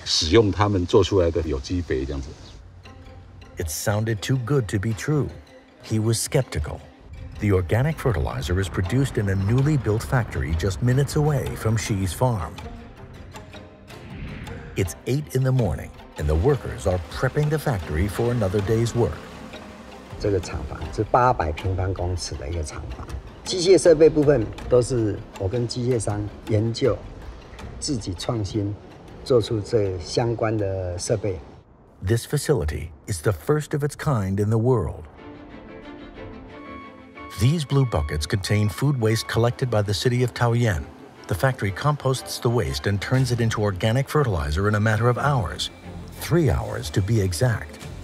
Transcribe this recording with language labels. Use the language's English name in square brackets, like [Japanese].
[Chinese] 张永基张老板他一开始的时候就来寻找我们产销班，说可以使用他们做出来的有机肥这样子。 [English] It sounded too good to be true. He was skeptical. The organic fertilizer is produced in a newly built factory just minutes away from Shi's farm. It's 8 in the morning, and the workers are prepping the factory for another day's work. This factory is [Chinese] 800平方公尺的一个厂房。机械设备部分都是我跟机械商研究、自己创新做出这相关的设备。 [English] This facility is the first of its kind in the world. These blue buckets contain food waste collected by the city of Taoyuan. The factory composts the waste and turns it into organic fertilizer in a matter of hours, 3 hours to be exact.